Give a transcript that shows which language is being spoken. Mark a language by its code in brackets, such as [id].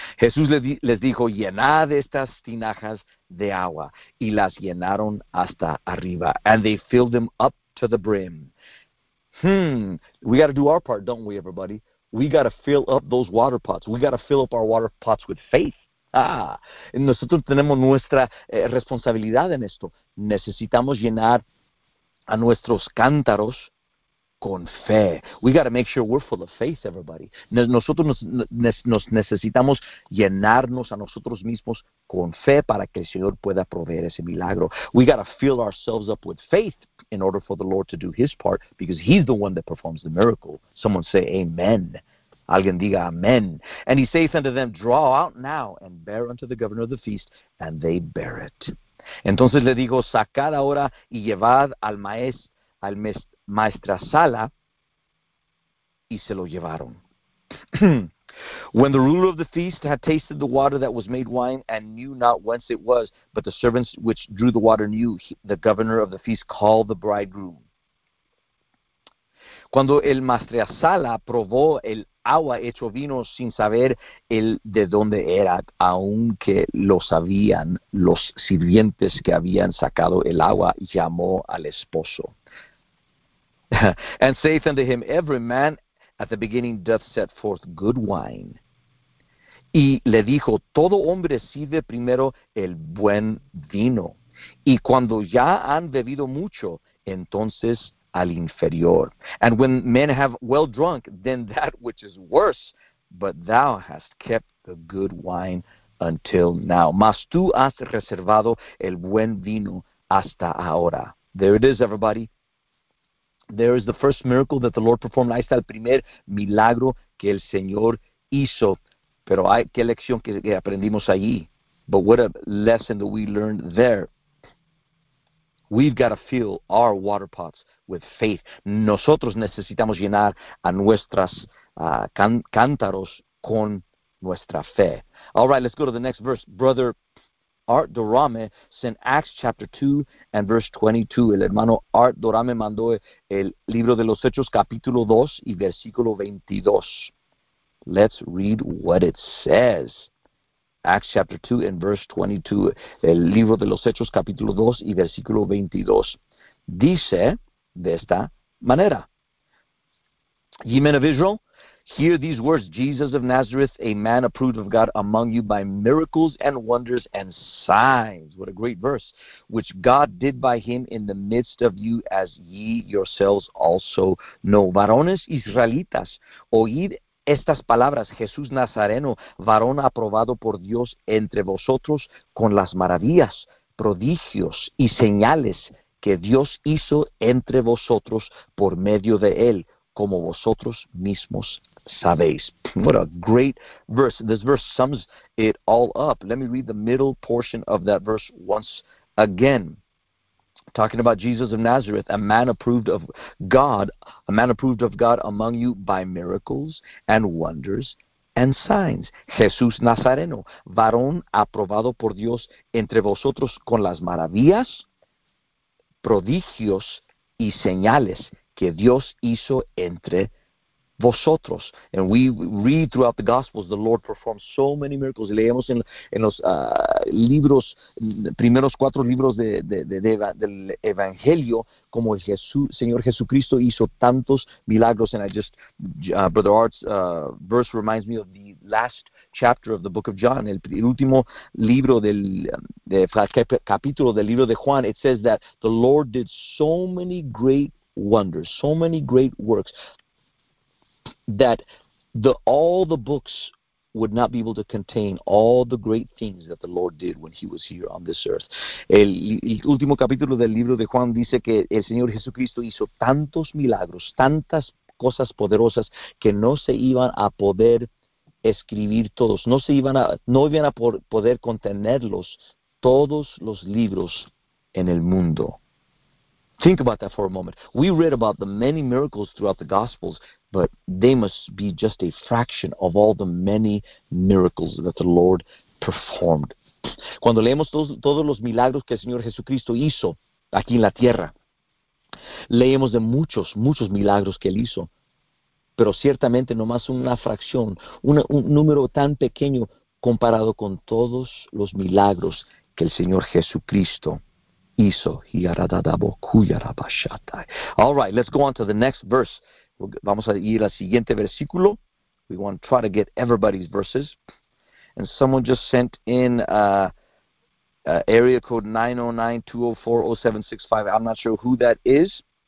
[es] Jesús les dijo, llenad estas tinajas de agua, y las llenaron hasta arriba. [en] And they filled them up to the brim. We got to do our part, don't we, everybody? We got to fill up those water pots. We got to fill up our water pots with faith. [es] Nosotros tenemos nuestra responsabilidad en esto. Necesitamos llenar a nuestros cántaros con fe. [en] We got to make sure we're full of faith, everybody. [es] Nosotros nos necesitamos llenarnos a nosotros mismos con fe para que el Señor pueda proveer ese milagro. [en] We got to fill ourselves up with faith in order for the Lord to do his part, because he's the one that performs the miracle. Someone say amen. [es] Alguien diga amen. [en] And he saith unto them, draw out now and bear unto the governor of the feast, and they bear it. [es] Entonces le digo, sacad ahora y llevad al maestro, al mes, maestra sala, y se lo llevaron. [en] When the ruler of the feast had tasted the water that was made wine and knew not whence it was, but the servants which drew the water knew, the governor of the feast called the bridegroom. [es] Cuando el maestra sala probó el agua hecho vino sin saber el de dónde era, aunque lo sabían los sirvientes que habían sacado el agua, llamó al esposo. [en] And saith unto him, every man at the beginning doth set forth good wine. [es] Y le dijo, todo hombre sirve primero el buen vino, y cuando ya han bebido mucho, entonces al inferior. [en] And when men have well drunk, then that which is worse. But thou hast kept the good wine until now. [es] Mas tú has reservado el buen vino hasta ahora. [en] There it is, everybody. There is the first miracle that the Lord performed. [es] Ahí está el primer milagro que el Señor hizo. Pero hay, qué lección que aprendimos allí. [en] But what a lesson that we learned there. We've got to fill our water pots with faith. [es] Nosotros necesitamos llenar a nuestras cántaros con nuestra fe. [en] All right, let's go to the next verse. Brother Art Dorame sent Acts chapter 2 and verse 22. [es] El hermano Art Dorame mandó el libro de los Hechos capítulo 2 y versículo 22. [en] Let's read what it says. Acts chapter 2 and verse 22. [es] El libro de los Hechos capítulo 2 y versículo 22. Dice de esta manera. [en] Ye men of Israel, hear these words. Jesus of Nazareth, a man approved of God among you by miracles and wonders and signs. What a great verse. Which God did by him in the midst of you, as ye yourselves also know. [es] Varones israelitas, oíd estas palabras. Jesús Nazareno, varón aprobado por Dios entre vosotros con las maravillas, prodigios y señales que Dios hizo entre vosotros por medio de él, como vosotros mismos sabéis. [en] What a great verse. This verse sums it all up. Let me read the middle portion of that verse once again. Talking about Jesus of Nazareth, a man approved of God among you by miracles and wonders and signs. [es] Jesús Nazareno, varón aprobado por Dios entre vosotros con las maravillas, prodigios y señales que Dios hizo entre vosotros. [en] And we read throughout the Gospels, the Lord performed so many miracles. [es] Leemos en los libros, primeros cuatro libros del Evangelio, como el Señor Jesucristo hizo tantos milagros. [en] And I just, Brother Art's verse reminds me of the last chapter of the book of John, [es] el último libro del capítulo del libro de Juan. [en] It says that the Lord did so many great wonders, so many great works, that all the books would not be able to contain all the great things that the Lord did when he was here on this earth. [es] El último capítulo del libro de Juan dice que el Señor Jesucristo hizo tantos milagros, tantas cosas poderosas, que no se iban a poder escribir todos, no iban a poder contenerlos todos los libros en el mundo. [en] Think about that for a moment. We read about the many miracles throughout the Gospels, but they must be just a fraction of all the many miracles that the Lord performed. [es] Cuando leemos todos los milagros que el Señor Jesucristo hizo aquí en la tierra, leemos de muchos, muchos milagros que Él hizo, pero ciertamente nomás una fracción, un número tan pequeño comparado con todos los milagros que el Señor Jesucristo hizo. [en] All right, let's go on to the next verse. [es] Vamos a ir al siguiente versículo. [en] We want to try to get everybody's verses. And someone just sent in area code 909-204-0765. I'm not sure who that is.